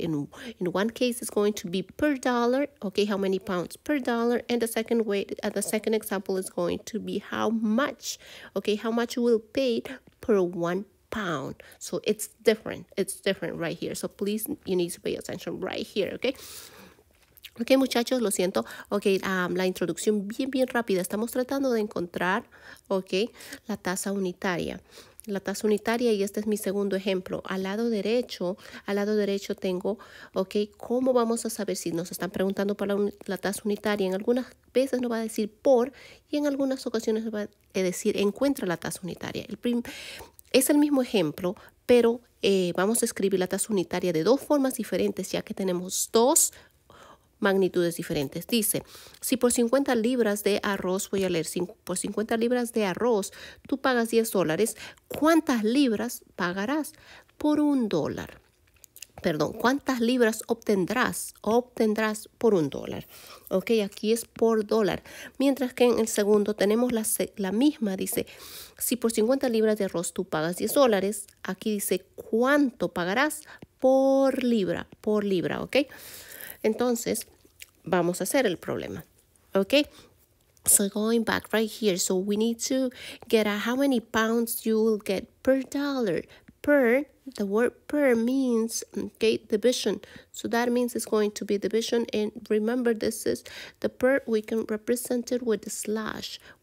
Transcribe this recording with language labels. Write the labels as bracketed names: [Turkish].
[English] In one case, it's going to be per dollar, okay, how many pounds per dollar, and the second way, the second example is going to be how much, okay, how much you will pay per one pound. So it's different right here. So please, you need to pay attention right here. [Spanish] Okay, muchachos, lo siento. Okay, la introducción bien rápida. Estamos tratando de encontrar, okay, la tasa unitaria, y este es mi segundo ejemplo. Al lado derecho tengo, okay, ¿cómo vamos a saber si nos están preguntando por la tasa unitaria? En algunas veces nos va a decir por, y en algunas ocasiones va a decir encuentra la tasa unitaria. Es el mismo ejemplo, pero vamos a escribir la tasa unitaria de dos formas diferentes, ya que tenemos dos magnitudes diferentes. Dice, si por 50 libras de arroz, voy a leer, si por 50 libras de arroz tú pagas $10, ¿cuántas libras pagarás por un dólar? Perdón, ¿cuántas libras obtendrás por un dólar? Ok, aquí es por dólar. Mientras que en el segundo tenemos la misma, dice, si por 50 libras de arroz tú pagas $10, aquí dice, ¿cuánto pagarás por libra, ok? Entonces, vamos a hacer el problema, ok? [English] So going back right here, so we need to get a how many pounds you will get per dollar. The word per means, okay, division. So that means it's going to be division. And remember, this is the per, we can represent it with the slash.